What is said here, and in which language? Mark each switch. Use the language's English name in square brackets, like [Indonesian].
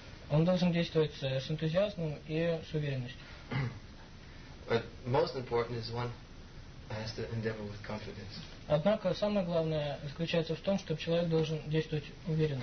[Russian] Он должен действовать с энтузиазмом и с уверенностью. [English] But most important is one has to endeavor with confidence. [Russian] Однако самое главное заключается в том, чтобы человек должен действовать уверенно.